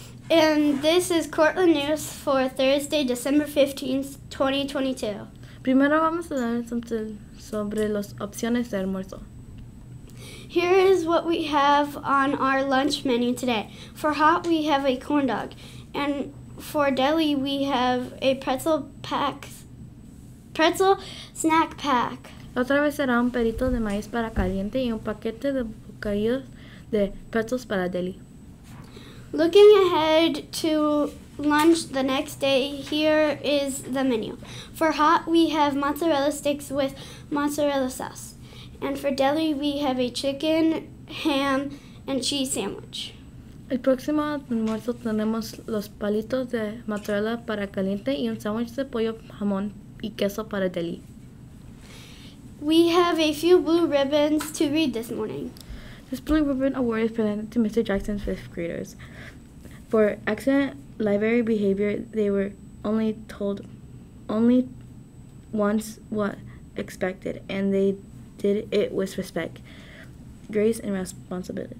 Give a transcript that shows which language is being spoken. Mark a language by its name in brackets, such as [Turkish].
[English] And this is Cortland News for Thursday, December 15th, 2022. [Spanish] Primero vamos a dar something sobre las opciones de almuerzo. [English] Here is what we have on our lunch menu today. For hot, we have a corn dog. And for deli, we have a pretzel snack pack. [Spanish] Otra vez será un perito de maíz para caliente y un paquete de bocadillos de pretzels para deli. [English] Looking ahead to lunch the next day, here is the menu. For hot, we have mozzarella sticks with mozzarella sauce. And for deli, we have a chicken, ham, and cheese sandwich. [Spanish] El próximo almuerzo tenemos los palitos de mozzarella para caliente y un sándwich de pollo, jamón y queso para deli. [English] We have a few blue ribbons to read this morning. This blue ribbon award is presented to Mr. Jackson's fifth graders. For excellent library behavior, they were only told only once what expected, and they did it with respect, grace, and responsibility.